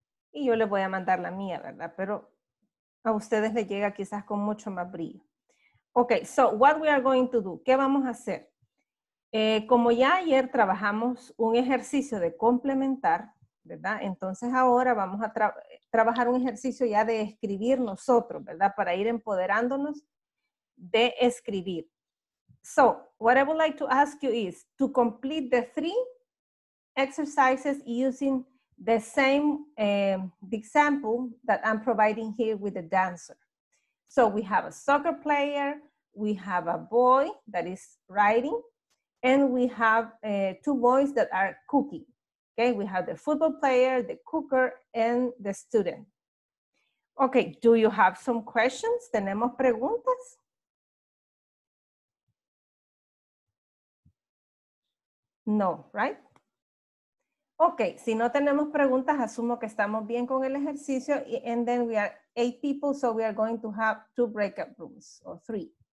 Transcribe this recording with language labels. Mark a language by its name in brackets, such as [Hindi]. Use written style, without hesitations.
[Spanish] Y yo les voy a mandar la mía, ¿verdad? Pero a ustedes les llega quizás con mucho más brillo. Okay, [English] so what we are going to do, [Spanish] ¿qué vamos a hacer? Como ya ayer trabajamos un ejercicio de complementar, ¿verdad? Entonces ahora vamos a trabajar un ejercicio ya de escribir nosotros, ¿verdad? Para ir empoderándonos de escribir. [English] So, what I would like to ask you is to complete the three exercises using the same example that I'm providing here with the dancer. So we have a soccer player, we have a boy that is riding, and we have two boys that are cooking. Okay, we have the football player, the cooker, and the student. Okay, do you have some questions? [Spanish] ¿Tenemos preguntas? [English] No, right? [Spanish] Okay, si no tenemos preguntas, asumo que estamos bien con el ejercicio. [English] And then we are 8 people, so we are going to have 2 breakout rooms, or 3.